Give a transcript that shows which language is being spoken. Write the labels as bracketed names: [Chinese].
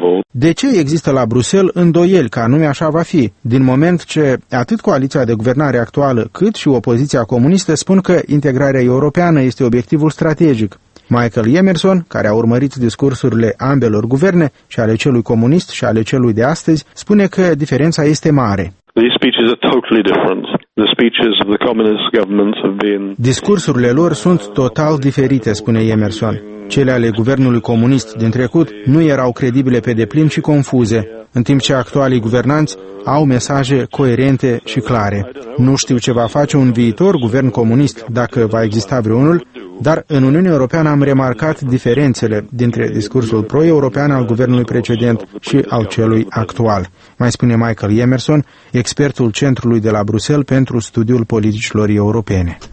[Romanian] De ce există la Bruxelles îndoieli că anume așa va fi, din moment ce atât coaliția de guvernare actuală, cât și opoziția comunistă spun că integrarea europeană este obiectivul strategic? Michael Emerson, care a urmărit discursurile ambelor guverne, și ale celui comunist și ale celui de astăzi, spune că diferența este mare. [English] These speeches are totally different. The speeches of the communist governments have been. [Romanian] Discursurile lor sunt total diferite, spune Emerson. Cele ale guvernului comunist din trecut nu erau credibile pe deplin și confuze, în timp ce actualii guvernanți au mesaje coerente și clare. Nu știu ce va face un viitor guvern comunist, dacă va exista vreunul, dar în Uniunea Europeană am remarcat diferențele dintre discursul pro-european al guvernului precedent și al celui actual, mai spune Michael Emerson, expertul Centrului de la Bruxelles pentru studiul politicilor europene.